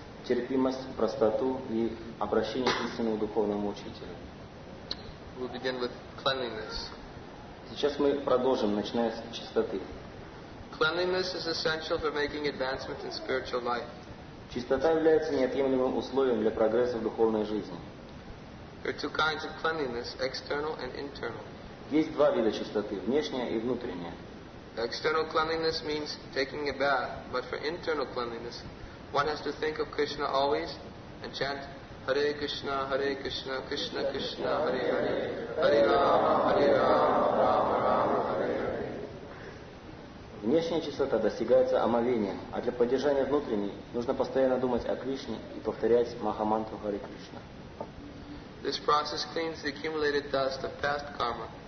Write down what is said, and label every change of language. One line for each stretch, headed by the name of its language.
Russian: Терпимость, простоту и обращение к истинному духовному учителю.
English: We'll begin with cleanliness.
Russian: Сейчас мы продолжим, начиная с чистоты.
English: Cleanliness is essential for making advancement in spiritual life.
Russian: Чистота является неотъемлемым условием для прогресса в духовной жизни.
English: There are two kinds of cleanliness, external and internal.
Russian: Есть два вида чистоты, внешняя и внутренняя.
English: External cleanliness means taking a bath, but for internal cleanliness, one has to think of Krishna always and chant Hare Krishna, Hare Krishna, Krishna Krishna, Hare Hare, Hare Rama, Hare Rama, Rama Rama, Hare Hare.
Russian: Внешняя чистота достигается омовением, а для поддержания внутренней нужно постоянно думать о Кришне и повторять Махамантру Hare Krishna.
English: This process cleans the accumulated dust of past karma.